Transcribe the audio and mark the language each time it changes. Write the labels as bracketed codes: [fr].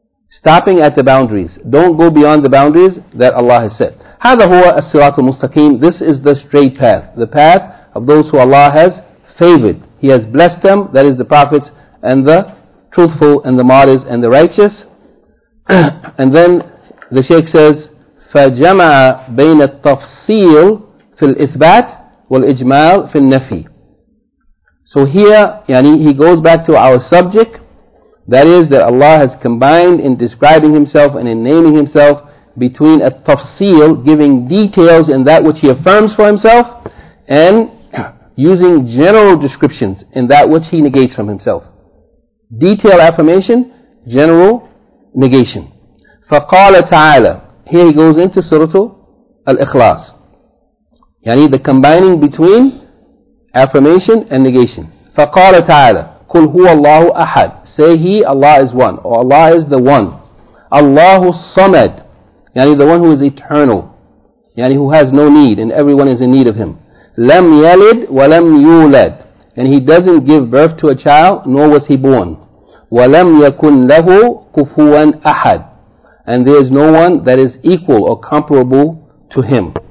[en] Stopping at the boundaries. Don't go beyond the boundaries that Allah has set. [ar] هذا هو الصراط المستقيم. [en] This is the straight path. The path of those who Allah has favored. He has blessed them, that is the prophets and the truthful and the martyrs and the righteous. And then the Shaykh says, [ar] فجمع بين التفصيل في الإثبات والإجمال في النفي. [en] So here, yani, he goes back to our subject, that is that Allah has combined in describing Himself and in naming Himself between a tafsil, giving details in that which He affirms for Himself, and using general descriptions in that which He negates from Himself. Detail affirmation, general negation. [ar] فَقَالَ تَعَالَى [en] Here he goes into Surah Al-Ikhlas. Yani the combining between affirmation and negation. [ar] فَقَالَ تَعَالَى قُلْ هُوَ اللَّهُ أَحَدْ [en] Say He, Allah is one. Or Allah is the one. [ar] اللَّهُ الصَّمَدْ [en] Yani the one who is eternal. Yani who has no need and everyone is in need of Him. [ar] لَمْ يَلِدْ وَلَمْ يُولَدْ [en] And He doesn't give birth to a child nor was He born. [ar] وَلَمْ يَكُنْ لَهُ كُفُوًا أَحَدْ [en] And there is no one that is equal or comparable to Him.